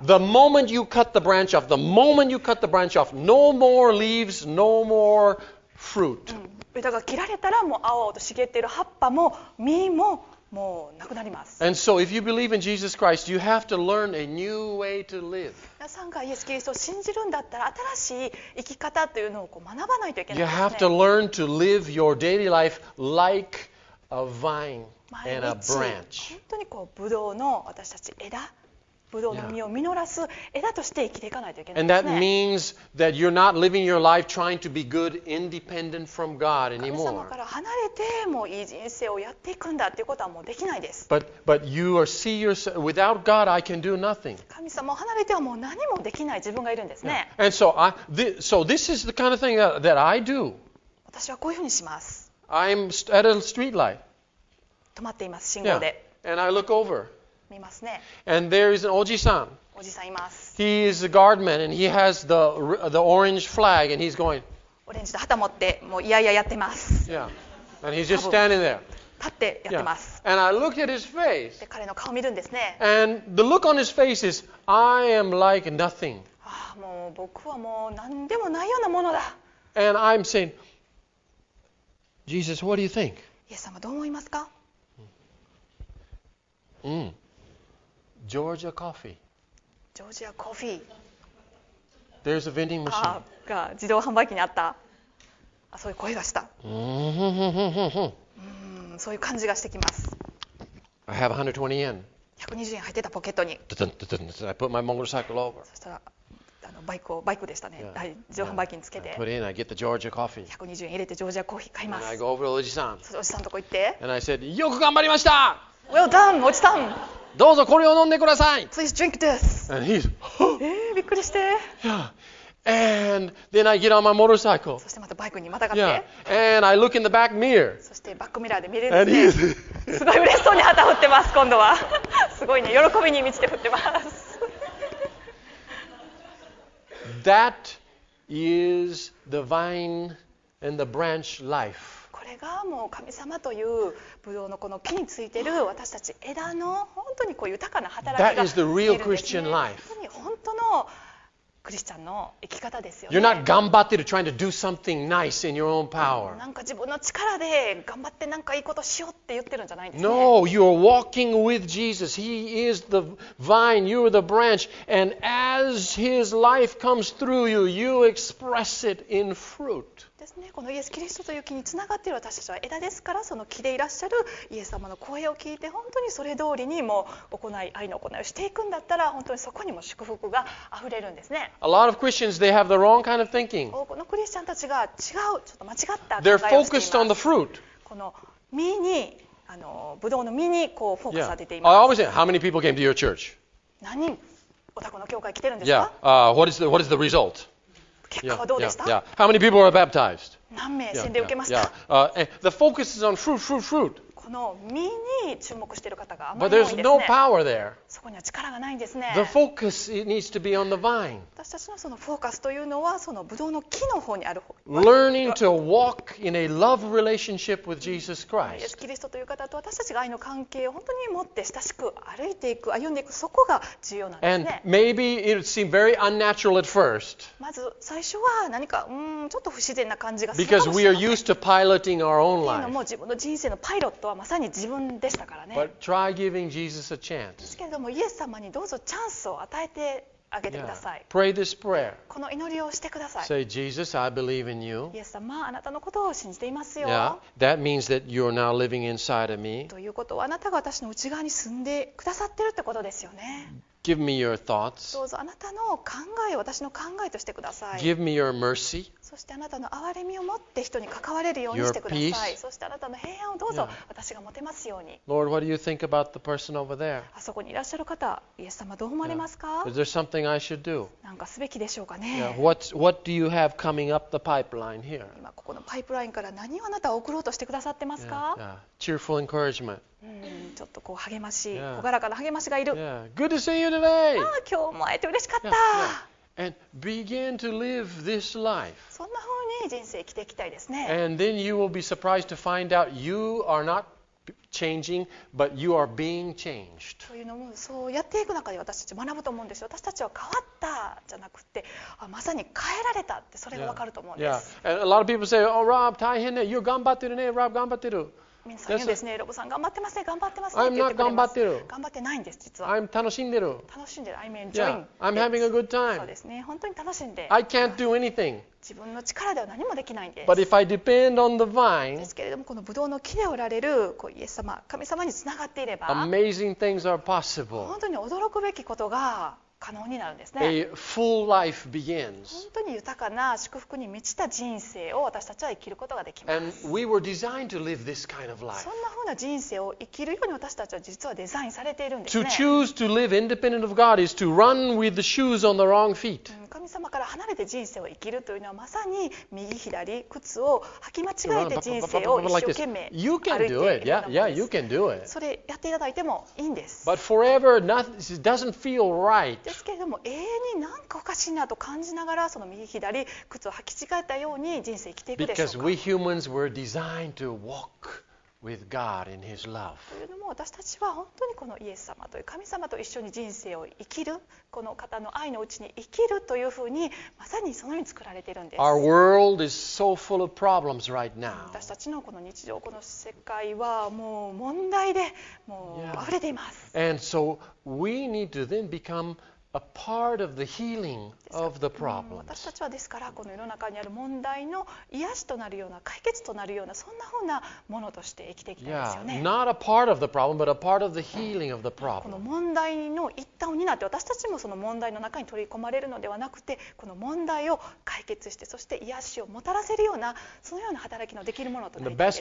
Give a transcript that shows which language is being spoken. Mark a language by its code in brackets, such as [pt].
[en] The moment you cut the branch off, the moment you cut the branch off, no more leaves, no more fruit.、 [ja] うん、枝が切られたらもう青々と茂っている葉っぱも実ももうなくなります。 [en] And so if you believe in Jesus Christ, you have to learn a new way to live. [ja] 皆さんがイエス・キリストを信じるんだったら新しい生き方というのをこう学ばないといけない、ね。 [en] You have to learn to live your daily life like. A vine and a branch. [ja] 本当にこうブドウの私たち枝、ブドウの実を実らす枝として生きていかないといけないね。 [en] And that means that you're not living your life trying to be good, independent from God anymore. [ja] 神様から離れてもいい人生をやっていくんだっていうことはもうできないです。 [en] But you are see yourself without God, I can do nothing. [ja] 神様を離れてはもう何もできない自分がいるんですね。 [en] Yeah. And so this is the kind of thing that I do. [ja] 私はこういうふうにします。 [en] I'm at a street light. [ja] 止まっています、信号で。 [en] Yeah. And I look over. [ja] 見ますね。 [en] And there is an oji-san. [ja] おじさんいます。 [en] He is a guardman and he has the orange flag and he's going. [ja] オレンジの旗持って、もういやいややってます。 [en] Yeah. And he's just standing there. [ja] 立ってやってます。 [en] Yeah. And I look at his face. [ja] で、彼の顔を見るんですね。 [en] And the look on his face is, I am like nothing. [ja] ああ、もう僕はもう何でもないようなものだ。 [en] And I'm saying,Jesus, what do you think? [ja] イエス様どう思いますか? [en] Georgia coffee. Georgia coffee. There's a vending machine. [ja] が自動販売機にあった。あ、そういう声がした。そういう感じがしてきます。 [en] I have 120 yen. 120 [ja] 円入ってたポケットに。 [en] ドドンドドン。So I put my motorcycle over. [ja] そしたら。バイクでしたね。Yeah. 自動販売機につけて。 [en] Yeah. I put in, I get the Georgia coffee. [ja] 120円入れてジョージアコーヒー買います。 [en] And I go over to おじさん。 [ja] おじさんのとこ行って。 [en] And I said, [ja] よく頑張りました。 [en] Well done, おじさん。 [ja] どうぞこれを飲んでください。 [en] Please drink this. And he's, [ja] びっくりして。 [en] Yeah. And then I get on my motorcycle. [ja] そしてまたバイクにまたがって。 [en] Yeah. And I look in the back mirror. [ja] そしてバックミラーで見れるんですね。すごい嬉しそうに旗振ってます、今度は。すごいね、喜びに満ちて振ってます。 [en] That is the vine and the branch life. [ja] これがもう神様というブドウのこの木についてる私たち枝の本当にこう豊かな働きが [en] That is the real Christian life. [ja] 本当のクリスチャンの生き方ですよね。 [en] You're not [ja] 頑張ってる [en] trying to do something nice in your own power. [ja] なんか自分の力で頑張ってなんかいいことしようって言ってるんじゃないんです [en] ね。No, you're walking with Jesus. He is the vine, you're the branch, and as his life comes through you, you express it in fruit. [ja] ですね。このイエス・キリストという木につながっている私たちは枝ですから、その木でいらっしゃるイエス様の声を聞いて本当にそれ通りにもう行い、愛の行いをしていくんだったら本当にそこにも祝福が溢れるんですね。 [en] A lot of Christians, they have the wrong kind of thinking. [ja] このクリスチャンたちが違う、ちょっと間違った考えをしています。 [en] They're focused on the fruit. [ja] この実に、あの、ブドウの実にこうフォーカスされています。 [en] Yeah. I always say, how many people came to your church? [ja] 何人お宅の教会来てるんです [en] か?Yeah. What is the result? [ja] 結果はどうでした? [en] Yeah. How many people were baptized? [ja] 何名洗礼を受けました? [en] The focus is on fruit. [ja] この実に注目している方があまり多いですね。 [en] No、power there. [ja] そこには力がないんですね。 [en] The focus, it needs to be on the vine. [ja] 私たちのそのフォーカスというのはそのブドウの木の方にある方。 [en] Learning to walk in a love relationship with Jesus Christ. [ja] イエス・キリストという方と私たちが愛の関係を本当に持って親しく歩いていく、歩んでいく、そこが重要なんですね。 [en] And maybe it would seem very unnatural at first. [ja] まず最初は何かちょっと不自然な感じがする。 [en] Because we are used to piloting our own life. [ja] もう自分の人生のパイロット。まさに自分でしたからね。 [en] But try giving Jesus a chance. [ja] ですけれども、イエス様にどうぞチャンスを与えてあげてください。 [en] Yeah. Pray this prayer. [ja] この祈りをしてください。 [en] Say, Jesus, I believe in you. [ja] イエス様、あなたのことを信じていますよ。 [en] Yeah. That means that you're now living inside of me. [ja] ということは、あなたが私の内側に住んでくださってるってことですよね。 [en] Give me your thoughts. [ja] どうぞあなたの考えを私の考えとしてください。 [en] Give me your mercy. [ja] そしてあなたの憐れみを持って人に関われるようにしてください。 [en] Your peace. [ja] そしてあなたの平安をどうぞ私が持てますように。 [en] Yeah. Lord, what do you think about the person over there? [ja] あそこにいらっしゃる方、イエス様どう思われますか？ [en] Yeah. Is there something I should do? [ja] なんかすべきでしょうかね。 [en] Yeah. What do you have coming up the pipeline here? [ja] 今ここのパイプラインから何をあなたは送ろうとしてくださってますか？ [en] Yeah. Yeah. Cheerful encouragement. [ja] ちょっとこう励まし、朗らかな励ましがいる。 [en] Yeah. Good to see you today. [ja] ああ、今日も会えて嬉しかった。 [en] Yeah. And begin to live this life. [ja] そんな風に人生生きていきたいですね。 [en] And then you will be surprised to find out you are not changing, but you are being changed. [ja] というのも、そうやっていく中で私たち学ぶと思うんですよ。私たちは変わったじゃなくて、まさに変えられたって、それが分かると思うんです。 [en] Yeah. And a lot of people say, oh, Rob, [ja] 大変ね。 [en] You're [ja] 頑張ってるね。 [en] Rob, [ja] 頑張ってる。皆さん言うんですね、ロボさん頑張ってますね、頑張ってますねって言ってくれます。頑張ってる。頑張ってないんです、実は。 [en] I'm [ja] 楽しんでる。楽しんでる。 [en] I'm enjoying. Yeah, I'm having a good time. [ja] そうですね、本当に楽しんで。 [en] I can't do anything. [ja] 自分の力では何もできないんです。 [en] But if I depend on the vine, [ja] ですけれども、このブドウの木でおられるこうイエス様、神様につながっていれば、 [en] amazing things are possible. [ja] 本当に驚くべきことが可能になるんですね。 [en] A full life begins. [ja] 本当に豊かな祝福に満ちた人生を私たちは生きることができます。 [en] And we were designed to live this kind of life. [ja] そんなふうな人生を生きるように私たちは実はデザインされているんですね。 [en] To choose to live independent of God is to run with the shoes on the wrong feet. [ja] 神様から離れて人生を生きるというのはまさに右左靴を履き間違えて人生を一生懸命歩いている [en] んです。You can do it. Yeah, yeah, you can do it. [ja] それやっていただいてもいいんです。 [en] But forever, nothing it doesn't feel right. [ja] ですけれども永遠になんかおかしいなと感じながらその右左靴を履き違えたように人生生きていくでしょうか。 [en] Because we humans were designed to walk with God in His love. [ja] というのも私たちは本当にこのイエス様という神様と一緒に人生を生きるこの方の愛のうちに生きるというふうにまさにそのように作られているんです。 [en] Our world is so full of problems right now. [ja] 私たちのこの日常この世界はもう問題でもう溢れています。 [en] Yeah. And so we need to then becomeA part of the healing of the problems. [ja] 私たちはですからこの世の中にある問題の癒しとなるような解決となるようなそんなふうなものとして生きていきたいですよね。 Yeah, not a part of the problem, but a part of the healing of the problem. この問題の一端を担って私たちもその問題の中に取り込まれるのではなくてこの問題を解決してそして癒しをもたらせるようなそのような働きのできるものとなりたいです